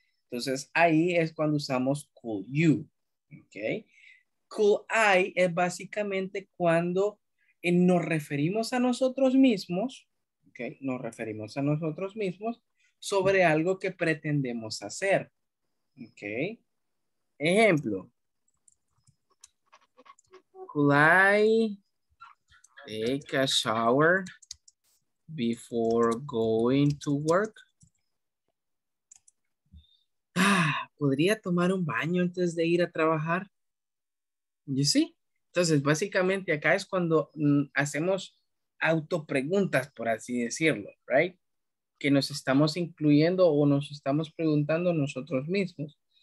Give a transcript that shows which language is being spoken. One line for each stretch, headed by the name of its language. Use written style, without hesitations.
Spanish: Entonces, ahí es cuando usamos could you. ¿Okay? Could I es básicamente cuando nos referimos a nosotros mismos, ¿okay? Nos referimos a nosotros mismos sobre algo que pretendemos hacer. ¿Okay? Ejemplo.
English: Could I take a shower before going to work?
Spanish: ¿Podría tomar un baño antes de ir a trabajar?
English: You see?
Spanish: Entonces, básicamente acá es cuando hacemos autopreguntas, por así decirlo, right? Que nos estamos incluyendo o nos estamos preguntando nosotros mismos.